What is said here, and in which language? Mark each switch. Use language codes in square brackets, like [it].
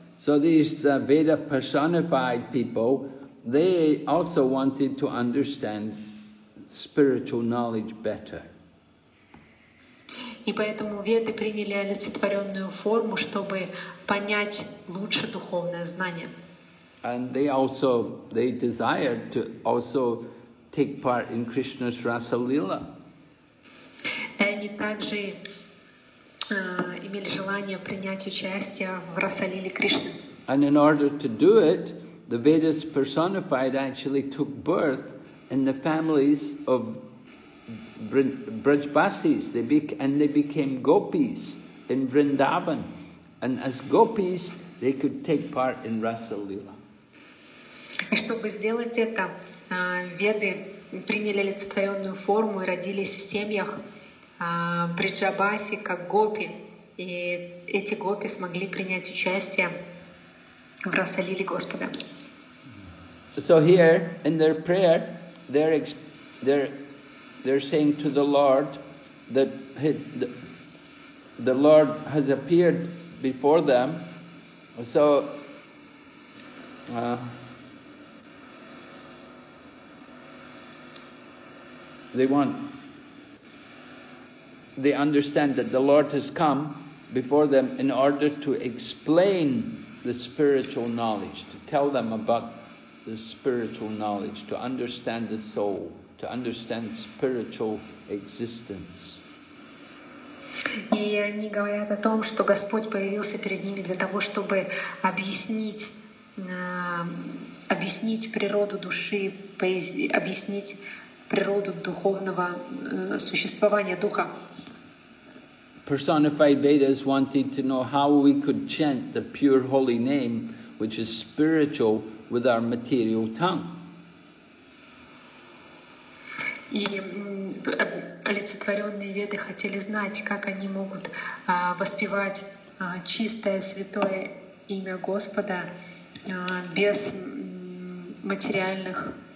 [en] So these Veda personified people, they also wanted to understand spiritual knowledge better. [ru] И поэтому веды приняли олицетворенную форму, чтобы понять лучше духовное знание. [en] And they desired to also take part in Krishna's Rasa Lila. [ru] Они также имели желание принять участие в Расалиле Кришны. [en] And in order to do it, the Vedas personified actually took birth in the families of Brajbasis, and they became gopis in Vrindavan. And as gopis, they could take part in Rasa Lila. [ru] И чтобы сделать это, веды приняли олицетворенную форму и родились в семьях Бриджабаси, как гопи. И эти гопи смогли принять участие в Расалиле Господа. [en] So here, in their prayer, they're saying to the Lord that the Lord has appeared before them. So, they understand that the Lord has come before them in order to explain the spiritual knowledge, to tell them about the spiritual knowledge, to understand the soul, to understand spiritual existence. [ru] И они говорят о том, что Господь появился перед ними для того, чтобы объяснить природу души, объяснить природу духовного существования духа. [en] Personified Vedas wanted to know how we could chant the pure holy name, which is spiritual, with our material tongue. [ru] И олицетворенные веды хотели знать, как они могут воспевать чистое святое имя Господа без материальных,